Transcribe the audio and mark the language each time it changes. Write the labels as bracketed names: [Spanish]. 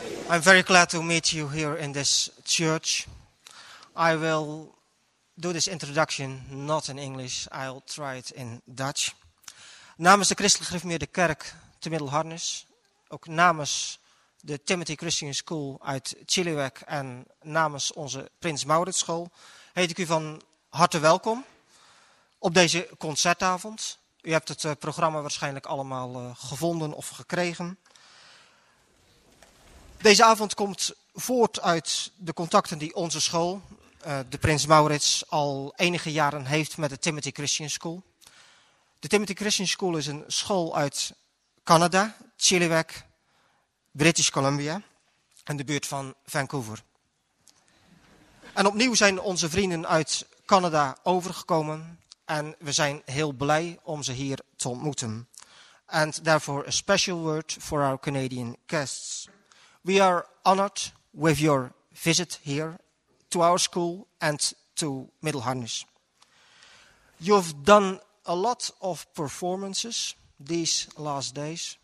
[English] I'm very glad to meet you here in this church. I will do this introduction not in English, I'll try it in Dutch. [Dutch] Namens de Christelijke Gereformeerde Kerk te Middelharnis, ook namens de Timothy Christian School uit Chilliwack en namens onze Prins Maurits School, heet ik u van harte welkom op deze concertavond. U hebt het programma waarschijnlijk allemaal gevonden of gekregen. Deze avond komt voort uit de contacten die onze school, de Prins Maurits, al enige jaren heeft met de Timothy Christian School. De Timothy Christian School is een school uit Canada, Chilliwack, British Columbia en de buurt van Vancouver. En opnieuw zijn onze vrienden uit Canada overgekomen. En we zijn heel blij om ze hier te ontmoeten. [English] And therefore a special word for our Canadian guests. We are honored with your visit here to our school and to Middelharnis. You've done a lot of performances these last days.